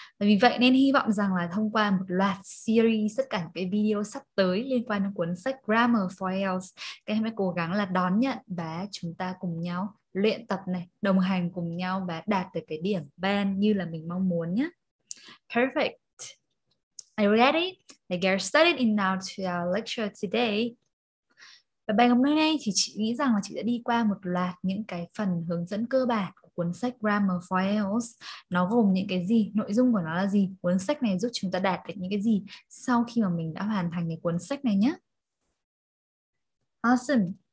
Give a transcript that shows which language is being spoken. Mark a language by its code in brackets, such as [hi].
[vi] Vì vậy nên hy vọng rằng là thông qua một loạt series, tất cả những cái video sắp tới liên quan đến cuốn sách Grammar for IELTS, các em hãy cố gắng là đón nhận và chúng ta cùng nhau luyện tập này, đồng hành cùng nhau và đạt được cái điểm band như là mình mong muốn nhé. [en] Perfect. Are you ready? Let's get started in now to our lecture today. [vi] Và bài học hôm nay thì chị nghĩ rằng là chị đã đi qua một loạt những cái phần hướng dẫn cơ bản của cuốn sách Grammar for IELTS. Nó gồm những cái gì, nội dung của nó là gì, cuốn sách này giúp chúng ta đạt được những cái gì sau khi mà mình đã hoàn thành cái cuốn sách này nhé. Awesome.